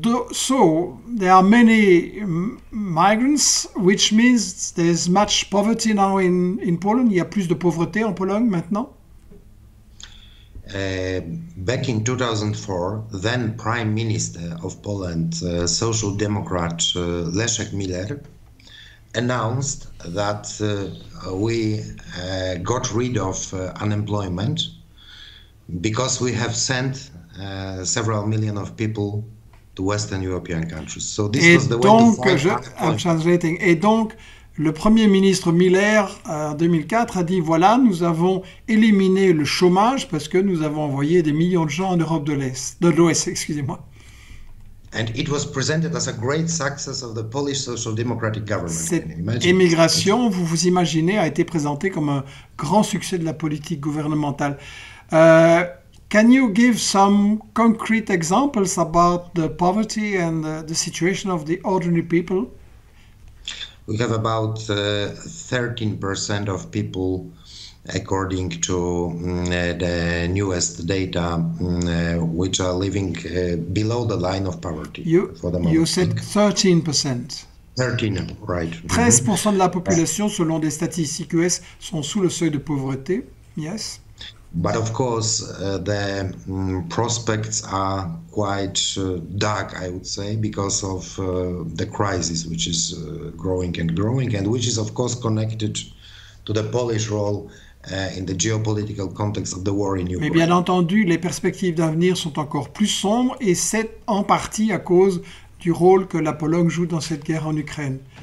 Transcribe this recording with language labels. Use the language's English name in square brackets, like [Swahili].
[English] So, there are many migrants, which means there's much poverty now in Poland. [French] Il y a plus de pauvreté en Pologne maintenant. [English] Back in 2004, then Prime Minister of Poland, Social Democrat Leszek Miller, announced that we got rid of unemployment because we have sent several million of people to Western European countries. So this [French] et [English] was the [French] donc, [English] way to fight I'm translating. [French] Et donc, le Premier ministre Miller, en 2004, a dit, voilà, nous avons éliminé le chômage parce que nous avons envoyé des millions de gens en Europe de l'Est, de l'Ouest, excusez-moi. [English] And it was presented as a great success of the Polish Social Democratic government. [French] Cette émigration, vous vous imaginez, a été présentée comme un grand succès de la politique gouvernementale. [English] Can you give some concrete examples about the poverty and the situation of the ordinary people? We have about 13% of people, according to the newest data, which are living below the line of poverty for the moment. You said 13%. 13, right. [French] 13% de la population, selon des statistiques US, sont sous le seuil de pauvreté, yes. [English] But of course, the prospects are quite dark, I would say, because of the crisis, which is growing and growing, and which is, of course, connected to the Polish role in the geopolitical context of the war in [French] Mais bien [English] Ukraine. [French] entendu, les perspectives d'avenir sont encore plus sombres et c'est en partie à cause du rôle que la Pologne joue dans cette guerre en Ukraine.